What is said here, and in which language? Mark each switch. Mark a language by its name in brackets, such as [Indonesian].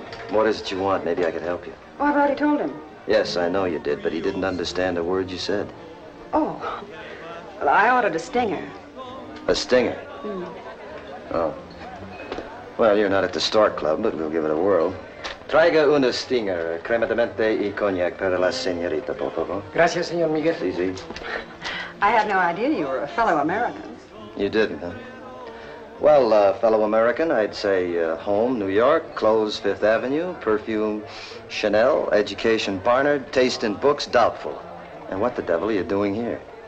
[English] What is it you want? Maybe I can help you. Oh, I've already told him. Yes, I know you did, but he didn't understand a word you said. Oh. Well, I ordered a stinger. A stinger? Hmm. Oh. Well, you're not at the Star Club, but we'll give it a whirl. [Spanish] Traiga uno stinger, crema de menta y cognac para la señorita, por favor. Gracias, señor Miguel. Sí, sí. [English] I had no idea you were a fellow American. You didn't, huh? Well, fellow American, I'd say home, New York, clothes, Fifth Avenue, perfume, Chanel, education, Barnard, taste in books, doubtful. And what the devil are you doing here?